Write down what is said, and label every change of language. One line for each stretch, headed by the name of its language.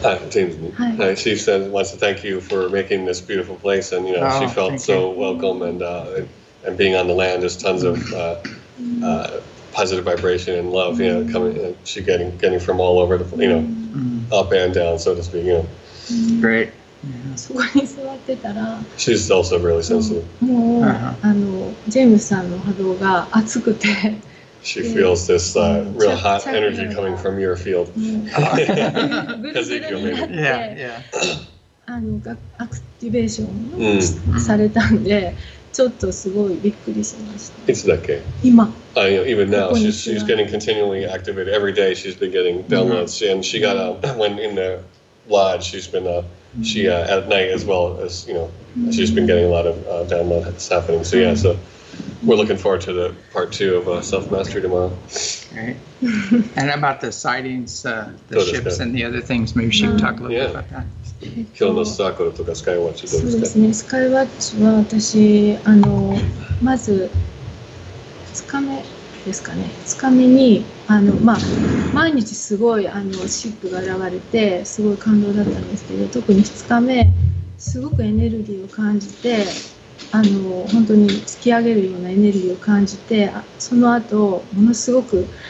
English: James, she says, wants to thank you for making this beautiful place, and you know, she felt so welcome, and being on the land, just tons of positive vibration and love, you know, coming, she getting from all over the, you know, up and down, so to speak, you know. Great.
Japanese: そこに座ってたら、
English: She's also really sensitive.
Japanese: もうあのジェームスさんの波動が熱くて。
English: She feels this real hot energy coming from your field. Because it's your main. Yeah.
Japanese: あのアクティベーションされたんで、ちょっとすごいびっくりしました。いつだっけ？今。
English: Even now, she's getting continually activated. Every day, she's been getting downloads. And she got out when in the lodge. She's been at night as well as you know. She's been getting a lot of downloads happening. So yeah, so. We're looking forward to the part two of Self-Mastery tomorrow. Great. And about the sightings, the ships and the other things, maybe she can talk a little bit about that.
Japanese: 今日のサークルとかスカイウォッチどうですか？そうですね、スカイウォッチは私、あのまず2日目ですかね、2日目にあの、まあ、毎日すごいあのシップが現れて、すごい感動だったんですけど、特に2日目、すごくエネルギーを感じて、あの本当に突き上げるようなエネルギーを感じてその後ものすごく